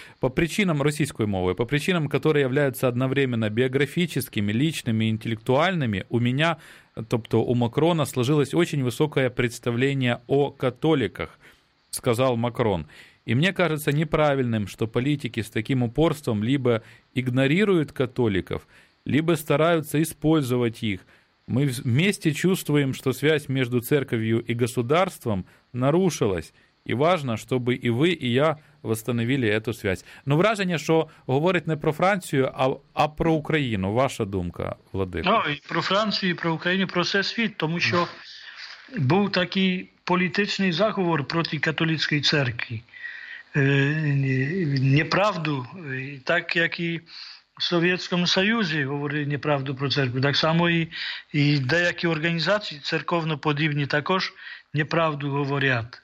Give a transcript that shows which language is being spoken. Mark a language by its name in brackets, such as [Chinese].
[Ukrainian] По причинам російської мови, по причинам, які являються одновременно біографічними, лічними, інтелектуальними, у мене, тобто у Макрона, сложилось дуже високе представлення о католіках, сказав Макрон. [Russian] И мне кажется неправильным, что политики с таким упорством либо игнорируют католиков, либо стараются использовать их. Мы вместе чувствуем, что связь между церковью и государством нарушилась. И важно, чтобы и вы, и я восстановили эту связь. Но вражение, что говорить не про Францию, а про Украину. [Ukrainian] Ваша думка, Владимир. [Russian] Ну, и про Францию, и про Украину, [Ukrainian] про все світ, тому що був такий політичний заговор проти католицької церкви. Неправду, так як і в Совєтському Союзі говорили неправду про церкву, так само і деякі організації церковно-подібні також неправду говорять.